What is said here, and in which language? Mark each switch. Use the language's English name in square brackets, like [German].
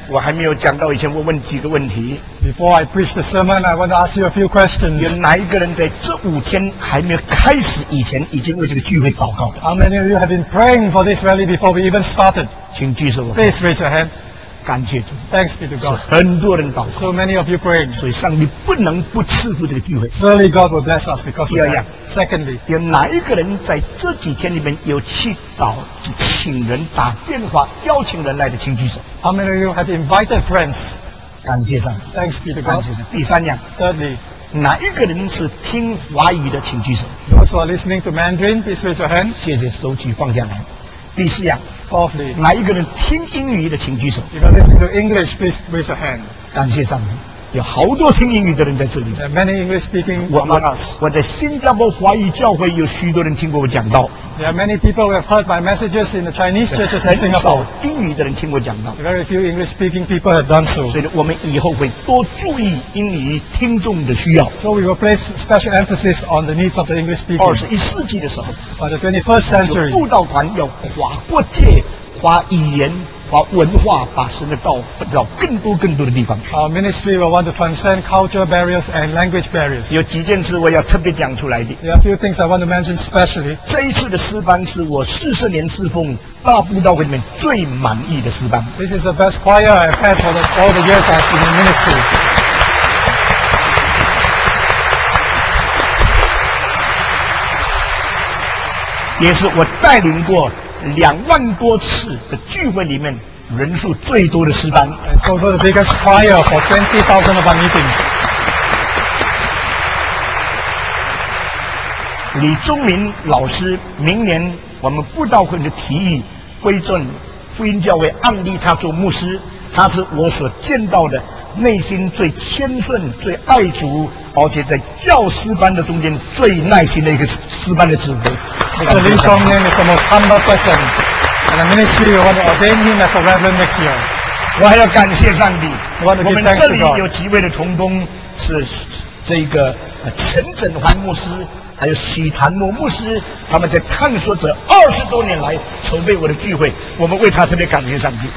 [Chinese] 我还没有讲到以前，我问几个问题。 [English] Before I preach the sermon, I want to ask you a few questions. [Chinese] 有哪一个人在这五天还没有开始以前，已经为这个聚会祷告的 [English] ？How many of you have been praying for this rally before we even started? [Chinese] 请举手。 [English] Please raise your hand. [Chinese] 感谢主。 [English] Thanks be to God. [Chinese] 很多人祷告。 [English] So many of you praying. [Chinese] 所以上帝不能不赐福这个聚会。 [English] Surely God will bless us because of that. Yeah. Secondly, [Chinese] 有哪一个人在这几天里面有去祷告？请人打电话邀请人来的，请举手。 [English] How many of you have invited friends? [Chinese] 感谢上 [English] 帝。Thanks be to God. [Chinese] 第三样。 [English] Thirdly, [Chinese] 哪一个人是听华语的，请举手。 [English] Those who are listening to Mandarin, please raise your hand. [Chinese] 谢谢，手举放下来。第四样。 [English] Fourthly, [Chinese] 哪一个人听英语的，请举手。 [English] If you listen to English, please raise your hand. [Chinese] 感谢上帝。有好多听英语的人在这里。 [English] There are many English speaking among us. [Chinese] 我在新加坡华语教会有许多人听过我讲道。 [English] There are many people who have heard my messages in the Chinese churches in Singapore. [Chinese] 很少英语的人听我讲道。 [English] Very few English speaking people have done so. [Chinese] 所以我们以后会多注意英语听众的需要。 [English] So we will place special emphasis on the needs of the English speaking. [Chinese] 二十一世纪的时候。 [English] By the 21st century. [Chinese] 布道团要跨国界，跨语言。把文化把神的道到更多更多的地方去。 [English] Our ministry will want to transcend cultural barriers and language barriers. [Chinese] 有几件事我要特别讲出来的。 [English] There are a few things I want to mention specially. [Chinese] 这一次的诗班是我四十年侍奉大布道会里面最满意的诗班。 [English] This is the best choir I've had for all the years I've been in ministry. [Chinese] 也是我带领过两万多次的聚会里面人数最多的诗班。 [English] It's also the biggest choir for 20,000 of our meetings. [Chinese] 李宗明老师明年我们布道会的提议归正福音教会案例他做牧师，他是我所见到的内心最谦顺最爱主而且在教师班的中间最耐心的一个师班的指挥。 [English] Mr. Li Song Nin is the most humble person and the ministry will want to ordain him as a reverend next year. [Chinese] 我还要感谢上帝。我们这里有几位的同工是这个陈振环牧师还有许谭诺牧师，他们在探索者二十多年来筹备我的聚会，我们为他特别感谢上帝。